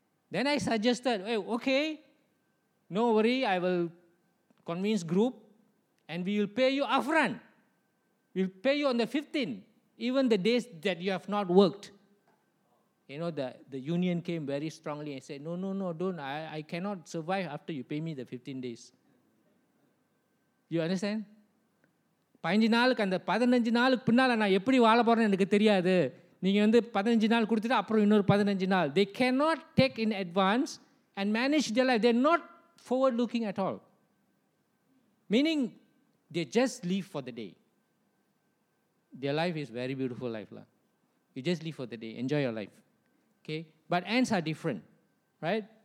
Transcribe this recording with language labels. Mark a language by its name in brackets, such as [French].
[English] Then I suggested, hey, okay, no worry, I will convince group and we will pay you upfront. We'll pay you on the 15th, even the days that you have not worked. You know, the union came very strongly and said, no, don't. I cannot survive after you pay me the 15 days. You understand? [Tamil] 15 நாளுக்கு அந்த 15 நாளுக்கு பின்னால நான் எப்படி வாழ போறேன்னு எனக்கு தெரியாது. [English] They cannot take in advance and manage their life. They're not forward-looking at all. Meaning, they just live for the day. Their life is very beautiful life. You just live for the day. Enjoy your life. Okay? But ants are different. Right?